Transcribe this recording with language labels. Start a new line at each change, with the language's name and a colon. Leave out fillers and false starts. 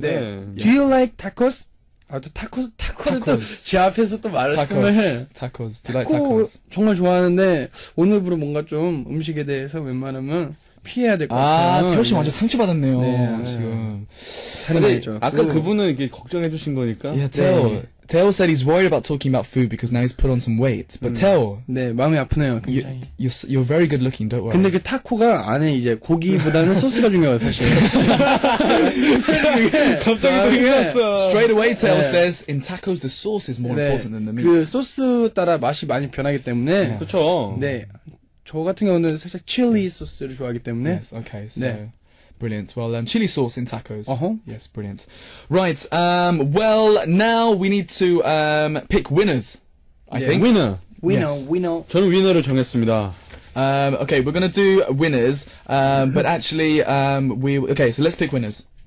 Korean: 네.
English: Do you like tacos?
Korean: 아, 또 타코스, 타코스. 또 제 앞에서 또 말했으면 해.
English: 타코스. Do you like tacos?
Korean: 정말 좋아하는데 오늘부로 뭔가 좀 음식에 대해서 웬만하면 피해야 될 것 같아요. 아, 태호 씨 완전 상처받았네요. 네. 지금. 근데 아까 그분은 이렇게 걱정해 주신 거니까.
English: Yeah, Tell. Tell said he's worried about talking about food because now he's put on some weight. But Tell.
Korean: 네, 마음이 아프네요. 굉장히.
English: You're very good looking, don't worry.
Korean: 근데 그 타코가 안에 이제 고기보다는 소스가 중요해요, 사실. 갑자기 또 생각났어.
English: Straight away, Tell 네. says, in tacos, the sauce is more 네. important than the meat.
Korean: 그 소스 따라 맛이 많이 변하기 때문에. 네. 그렇죠. 네. 저 같은 경우는 살짝 칠리 소스를 좋아하기 때문에.
English: Yes, okay, so. 네. Brilliant. Well, chili sauce in tacos. Uh-huh. Yes, brilliant. Right, well, now we need to pick winners, I think. Winner. Winner, yes. Winner.
Korean: 저는 winner를 정했습니다.
English: Okay, we're gonna do winners, but actually, okay, so let's pick winners.